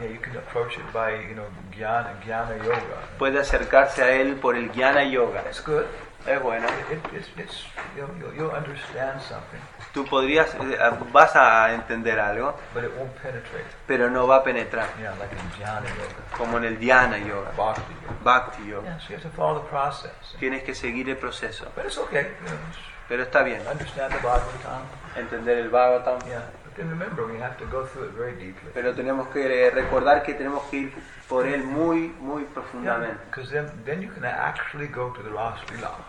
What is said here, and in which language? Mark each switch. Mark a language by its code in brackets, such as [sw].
[en] Yeah, you can approach it by, you know, jnana yoga. [es] Puede acercarse a él por el jnana yoga. [en] It's good. [es] Es bueno. [en] It's, you'll understand something. [es] Tú podrías, vas a entender algo, [en] but it won't penetrate. [es] Pero no va a penetrar. [en] Yeah, like in jnana yoga. [es] Como en el jnana yoga. [en] Bhakti yoga. [es] Bhakti yoga. [en] Yeah, so you have to follow the process. [es] Tienes que seguir el proceso. [en] But it's okay. [es] Pero está bien. [en] Understand the Bhagavatam. [es] Entender el Bhagavatam. [en] Yeah. But then remember, we have to go through it very deeply. [es] Pero tenemos que recordar que tenemos que ir por él muy, muy profundamente. [en] Yeah, because then you can actually go to the Ras Lila.